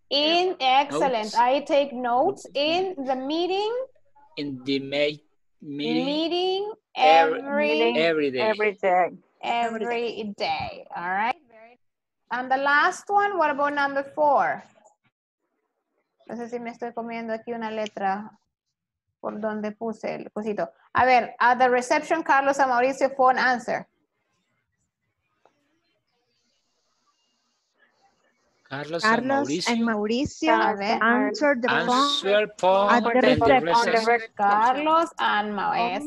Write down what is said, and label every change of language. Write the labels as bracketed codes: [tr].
[en] Excellent. Notes. I take notes in the meeting. In the meeting every day. All right. And the last one, what about number four? [es] No sé si me estoy comiendo aquí una letra. Por donde puse el cosito. A ver, [en] at the reception, Carlos and Mauricio, phone answer. Carlos and Mauricio. And Mauricio answer the answer phone at the reception. Carlos and Mauricio.